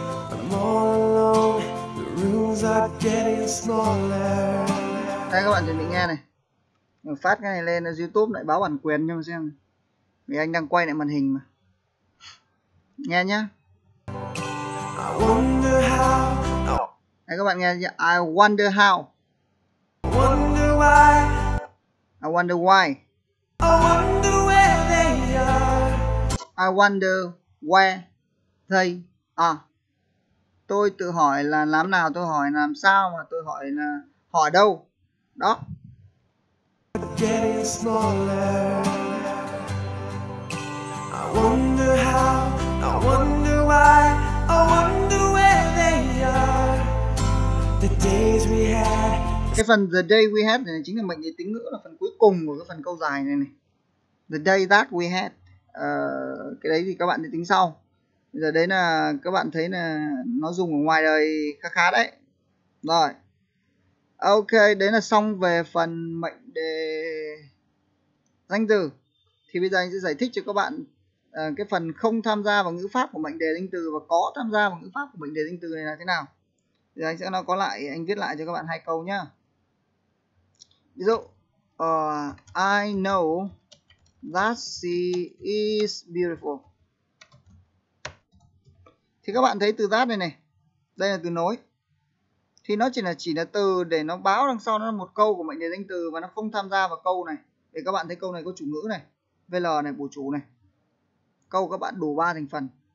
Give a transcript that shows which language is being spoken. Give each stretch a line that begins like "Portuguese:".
English: I'm all alone, the rooms are getting smaller.
Vietnamese: Đây các bạn chuẩn bị nghe này. Mình phát cái này lên YouTube lại báo bản quyền cho mình xem. Vì anh đang quay lại màn hình mà. Nghe nhá. Đây các bạn nghe chưa?
English: I wonder how. Wonder why. I wonder why. I wonder where they are. I wonder where they are.
Vietnamese: Tôi tự hỏi là làm nào, tôi hỏi làm sao, mà tôi hỏi là hỏi đâu.
English: Đó. Getting smaller. I wonder how, I wonder why, I wonder where they are. The days we had.
Vietnamese: Cái phần
English: the day we had
Vietnamese: này chính là mệnh đề tính ngữ, là phần cuối cùng của cái phần câu dài này này.
English: The day that we had.
Vietnamese: Cái đấy thì các bạn đi tính sau. Bây giờ đấy là các bạn thấy là nó dùng ở ngoài đời khá khá đấy. Rồi. Ok, đấy là xong về phần mệnh đề danh từ. Thì bây giờ anh sẽ giải thích cho các bạn cái phần không tham gia vào ngữ pháp của mệnh đề danh từ và có tham gia vào ngữ pháp của mệnh đề danh từ này là thế nào. Thì anh sẽ nói có lại, anh viết lại cho các bạn hai câu nhá. Ví dụ,
English: I know that she is beautiful.
Vietnamese: Thì các bạn thấy từ that này này, đây là từ nối. Thì nó chỉ là từ để nó báo đằng sau nó là một câu của mệnh đề danh từ và nó không tham gia vào câu này. Để các bạn thấy câu này có chủ ngữ này, VL này, bổ chủ này. Câu các bạn đủ 3 thành phần.